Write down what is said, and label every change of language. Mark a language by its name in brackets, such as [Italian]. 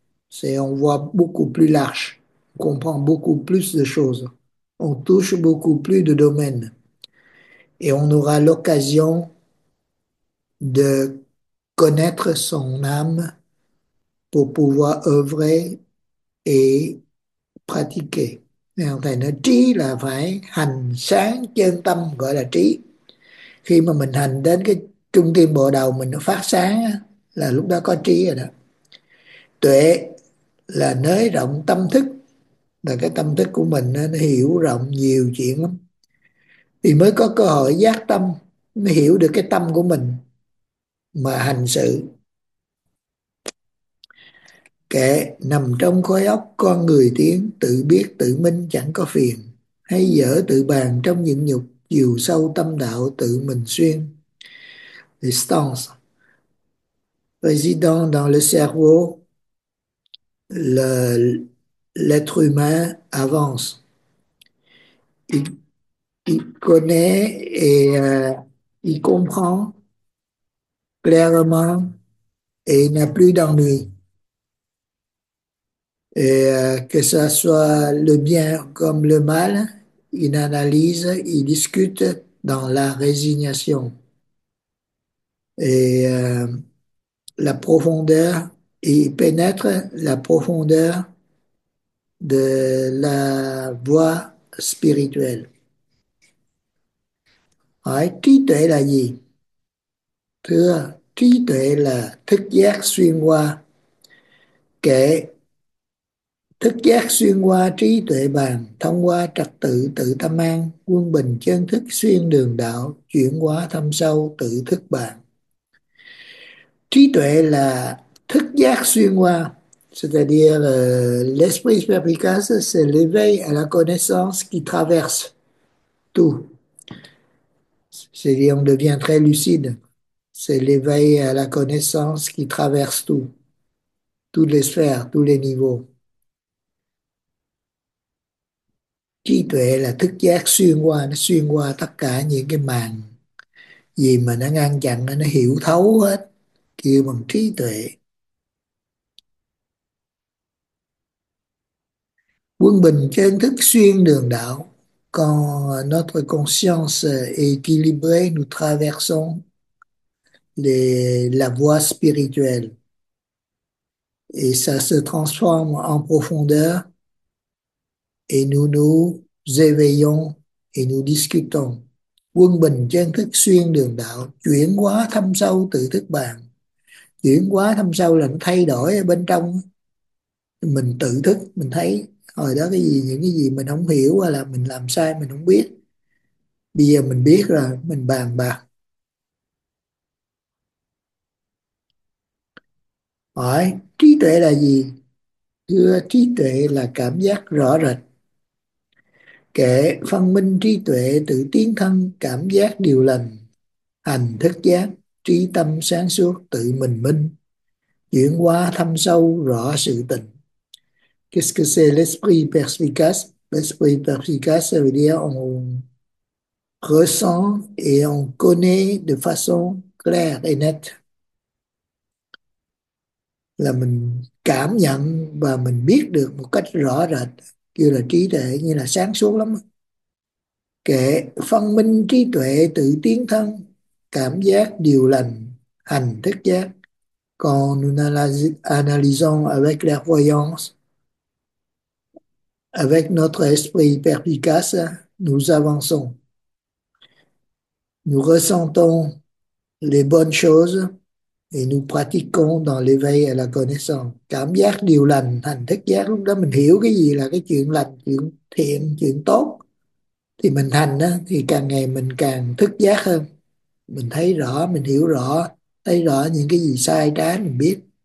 [French] C'est on voit beaucoup plus large. On comprend beaucoup plus de choses. On touche beaucoup plus de domaines. Et on aura l'occasion de connaître son âme pour pouvoir œuvrer et pratiquer. [Vietnamese] Thầy nói trí là phải hành sáng chân tâm gọi là trí. Khi mà mình hành đến cái trung tâm bộ đầu mình nó phát sáng là lúc đó có trí rồi đó. Tuệ là nới rộng tâm thức, là cái tâm thức của mình nó hiểu rộng nhiều chuyện lắm thì mới có cơ hội giác tâm, nó hiểu được cái tâm của mình mà hành sự. Kệ, nằm trong khối óc con người tiếng, tự biết tự minh chẳng có phiền, hay dở tự bàn trong những nhục, dù sâu tâm đạo tự mình xuyên. [French] Distance. Résident dans le cerveau, l'être humain avance. Il connaît et il comprend clairement et n'a plus d'ennui. Et que ce soit le bien comme le mal, il analyse, il discute dans la résignation. Et la profondeur, il pénètre la profondeur de la voie spirituelle. Alors, [Vietnamese] trí tuệ là gì? Thưa, trí tuệ là thức giác xuyên qua kệ. Thức giác xuyên qua trí tuệ bàn, thông qua trật tự tự tâm an, quân bình chân thức xuyên đường đạo, chuyển hóa thâm sâu tự thức bàn. Trí tuệ là thức giác xuyên qua, [French] c'est-à-dire l'esprit perspicace, c'est l'éveil à la connaissance qui traverse tout. C'est-à-dire on devient très lucide. C'est l'éveil à la connaissance qui traverse tout, toutes les sphères, tous les niveaux. [Vietnamese] Trí tuệ là thức giác xuyên qua, nó xuyên qua tất cả những cái màn gì mà nó ngăn chặn, nó hiểu thấu hết, kêu bằng trí tuệ. Quân bình chân thức xuyên đường đạo. [French] Quand notre conscience est équilibrée, nous traversons la voie spirituelle. Et ça se transforme en profondeur et nous nous éveillons et nous discutons. [Vietnamese] Quân bình chân thức xuyên đường đạo, chuyển hóa thâm sâu tự thức bàn. Chuyển hóa thâm sâu là nó thay đổi ở bên trong. Mình tự thức, mình thấy hồi đó cái gì, những cái gì mình không hiểu hay là mình làm sai mình không biết, bây giờ mình biết rồi, mình bàn bạc hỏi trí tuệ là gì. Thưa, trí tuệ là cảm giác rõ rệt, kệ phân minh trí tuệ tự tiến thân, cảm giác điều lành, hành thức giác, trí tâm sáng suốt, tự mình minh, chuyển hóa thâm sâu rõ sự tình. [French] Qu'est-ce que c'est l'esprit perspicace? L'esprit perspicace, ça veut dire on ressent et on connaît de façon claire et nette. [Vietnamese] Là mình cảm nhận và mình biết được một cách rõ rệt, kêu là trí tuệ, như là sáng suốt lắm. Kệ phân minh trí tuệ tự tiến thân, cảm giác điều lành, hành thức giác. Còn [French] nous analysons avec clairvoyance, avec notre esprit perspicace, nous avançons. Nous ressentons les bonnes choses et nous pratiquons dans l'éveil à la connaissance. [Vietnamese] Cảm giác điều lành, hành thức giác, lúc đó mình hiểu cái gì là cái chuyện lành, chuyện thiện, chuyện tốt. Thì mình hành đó, thì càng ngày mình càng thức giác hơn. Mình thấy rõ, mình hiểu rõ, thấy rõ những cái gì sai trái mình biết.